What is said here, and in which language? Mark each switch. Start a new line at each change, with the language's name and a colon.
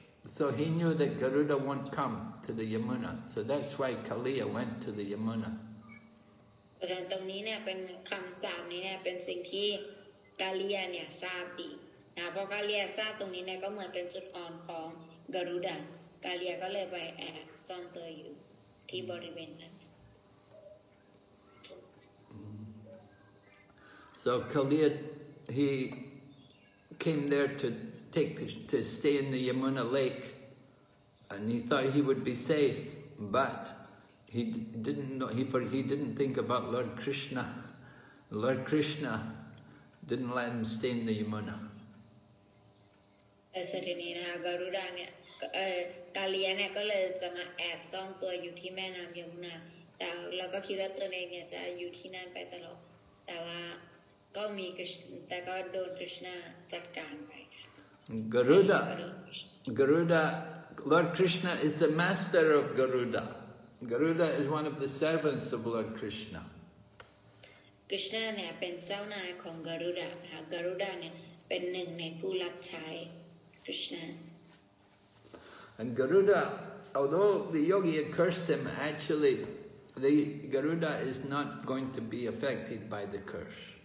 English: So he knew that Garuda won't come to the Yamuna. So that's why Kaliya went to the Yamuna.
Thai: Then ตรงนี้เนี่ยเป็นคำสาบนี้เนี่ยเป็นสิ่งที่กาเลียเนี่ยทราบดีนะเพราะกาเลียทราบตรงนี้เนี่ยก็เหมือนเป็นจุดอ่อนของกรุดากาเลียก็เลยไปแอบซ่อนตัวอยู่ที่บริเวณนั้น
English: So Kaliya, he came there to stay in the Yamuna lake, and he thought he would be safe, but he didn't think about Lord Krishna. Lord Krishna didn't let him stay in the Yamuna. As it is,
Thai: Garuda, Kaliya, ก็เลยจะมาแอบซ่อนตัวอยู่ที่แม่น้ำยมุนาแต่เราก็คิดว่าตัวเองเนี่ยจะอยู่ที่นั่นไปตลอดแต่ว่าก็มีแต่ก็โดนคริชนาจัดการไป
English: Garuda, Lord Krishna is the master of Garuda. Garuda is one of the servants of Lord Krishna.
Thai: Krishna เนี่ยเป็นเจ้านายของ Garuda นะ Garuda เนี่ยเป็นหนึ่งในผู้รับใช้ Krishna.
English: And Garuda, although the yogi had cursed him, actually, the Garuda is not going to be affected by the curse.